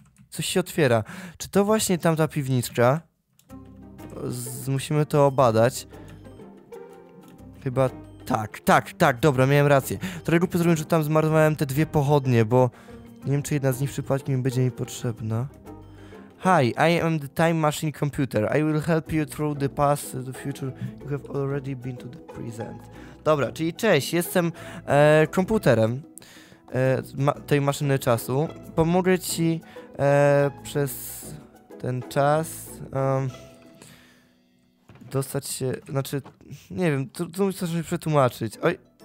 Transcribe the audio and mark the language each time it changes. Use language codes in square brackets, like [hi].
[pl] Coś się otwiera. Czy to właśnie tamta piwniczka? Musimy to obadać. Chyba tak, tak, tak, dobra, miałem rację. Trochę głupio zrobiłem, że tam zmarnowałem te dwie pochodnie, bo nie wiem, czy jedna z nich przypadkiem będzie mi potrzebna. [en] Hi, I am the time machine computer. I will help you through the past, the future. You have already been to the present. [pl] Dobra, czyli cześć, jestem komputerem tej maszyny czasu. Pomogę ci przez ten czas dostać się, znaczy, nie wiem, tu muszę coś przetłumaczyć. Oj.